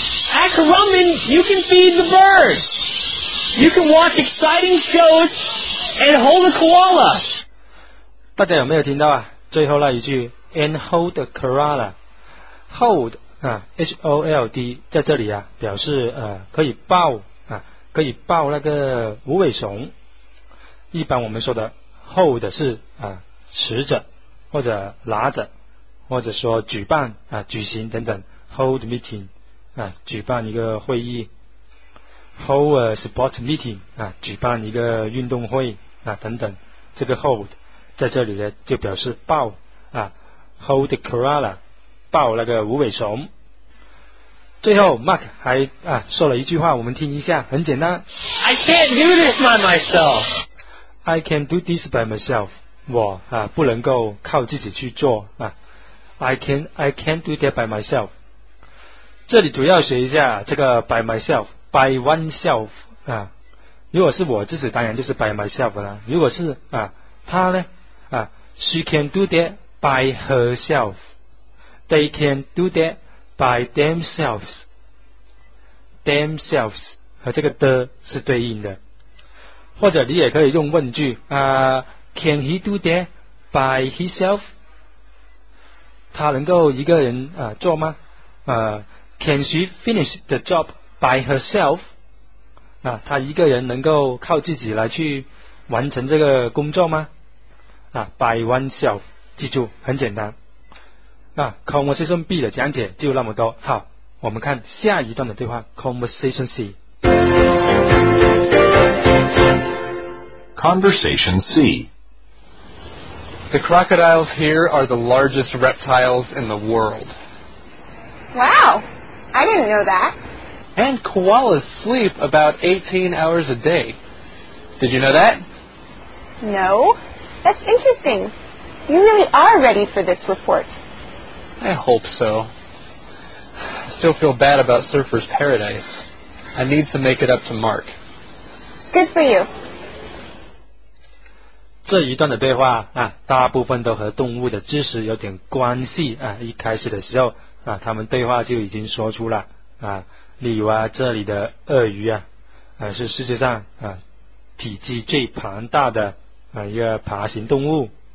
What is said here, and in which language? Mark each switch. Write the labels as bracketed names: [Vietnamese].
[English] At Corumbin, you can feed the birds. You can watch exciting shows and hold a koala. [Chinese] 大家有没有听到啊？最后那一句 [English] and hold a koala, [Chinese] hold 啊 ，H O L D 在这里啊，表示可以抱啊，可以抱那个无尾熊。一般我们说的 hold 是持着或者拿着，或者说举办啊举行等等 [English] hold meeting。 [Chinese] 啊，举办一个会议 ， [English] hold a sports meeting [Chinese] 啊，举办一个运动会啊，等等，这个 hold 在这里呢就表示抱啊 ， [English] hold the koala [Chinese] 抱那个无尾熊。最后 Mark 还说了一句话，我们听一下，很简单。 [English] I can't do this by myself. I can do this by myself. [Chinese] 我不能够靠自己去做啊。 [English] I can't do that by myself. [Chinese] 这里主要学一下这个 [English] by myself, by oneself, [Chinese] 啊如果是我自己当然就是 [English] by myself [Chinese] 了，如果是他呢 [English] she can do that by herself, they can do that by themselves, themselves, [Chinese] 和这个的是对应的。或者你也可以用问句 [English] can he do that by himself? [Chinese] 他能够一个人做吗 [English] Can she finish the job by herself? [Chinese] 啊，她一个人能够靠自己来去完成这个工作吗？啊 ， [English] by oneself， [Chinese] 记住很简单。啊 ，Conversation B 的讲解就那么多。好，我们看下一段的对话 ， [English] Conversation C。 Conversation C。 The crocodiles here are the largest reptiles in the world. Wow. I didn't know that. And koalas sleep about 18 hours a day. Did you know that? No. That's interesting. You really are ready for this report. I hope so. I still feel bad about Surfer's Paradise. I need to make it up to Mark. Good for you. [Chinese] 这一段的对话大部分都和动物的知识有点关系一开始的时候他们对话就已经说出了例如这里的鳄鱼是世界上体积最庞大的一个爬行动物。